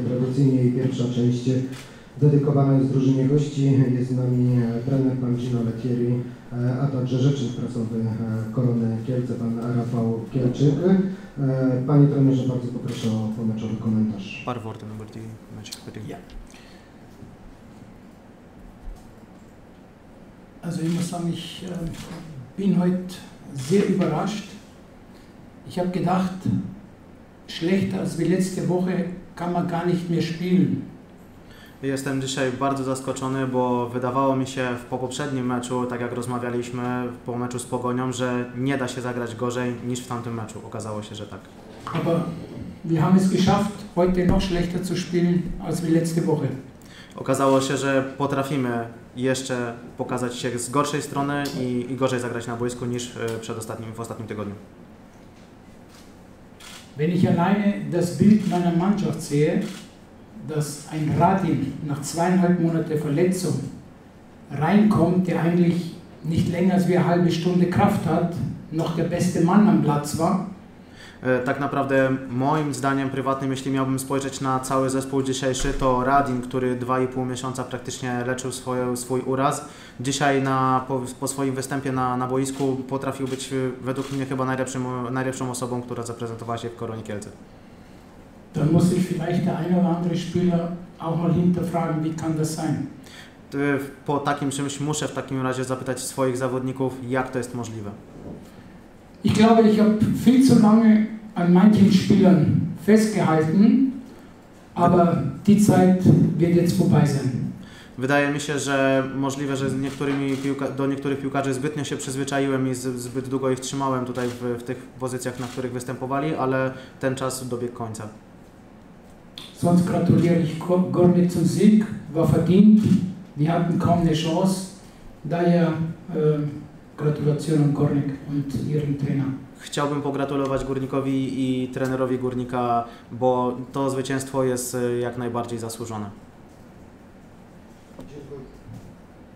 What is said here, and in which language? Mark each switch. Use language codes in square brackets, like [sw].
[pl] Tradycyjnie jej pierwsza część dedykowana jest drużynie gości. Jest z nami trener pan Gino Lettieri, a także rzecznik prasowy Korony Kielce, pan Rafał Kielczyk. Panie trenerze, bardzo poproszę o pomeczowy komentarz. Parę słów na temat meczu. [de] Also ich muss sagen, ich bin heute sehr überrascht. Ich habe gedacht, schlechter als wie letzte Woche kann man gar nicht mehr spielen. [pl] Jestem dzisiaj bardzo zaskoczony, bo wydawało mi się po poprzednim meczu, tak jak rozmawialiśmy po meczu z Pogonią, że nie da się zagrać gorzej niż w tamtym meczu. Okazało się, że tak. [de] Aber wir haben es geschafft, heute noch schlechter zu spielen als wie letzte Woche. [pl] Okazało się, że potrafimy jeszcze pokazać się z gorszej strony i gorzej zagrać na boisku niż w ostatnim tygodniu. [de] Wenn ich alleine das Bild meiner Mannschaft sehe, dass ein Radim nach 2,5 Monate Verletzung reinkommt, der eigentlich nicht länger als wie eine halbe Stunde Kraft hat, noch der beste Mann am Platz war. [pl] Tak naprawdę moim zdaniem prywatnym, jeśli miałbym spojrzeć na cały zespół dzisiejszy, to Radin, który 2,5 miesiąca praktycznie leczył swój uraz, dzisiaj po swoim występie na boisku potrafił być według mnie chyba najlepszą osobą, która zaprezentowała się w Koronie Kielce. [de] Dann muss sich vielleicht der eine oder andere Spieler auch mal hinterfragen, wie kann das sein? [pl] Po takim czymś muszę w takim razie zapytać swoich zawodników, jak to jest możliwe. [de] Ich glaube, ich habe viel zu lange an manchen Spielern festgehalten, aber die Zeit wird jetzt vorbei sein. [pl] Wydaje mi się, że możliwe, że do niektórych piłkarzy zbytnio się przyzwyczaiłem i zbyt długo ich trzymałem tutaj w tych pozycjach, na których występowali, ale ten czas dobiegł końca. [de] Sonst gratuliere ich Gornik zum Sieg, war verdient. Wir hatten kaum eine Chance. [pl] Daher gratulacje na Górnik i trenera. Chciałbym pogratulować Górnikowi i trenerowi Górnika, bo to zwycięstwo jest jak najbardziej zasłużone. Dziękuję.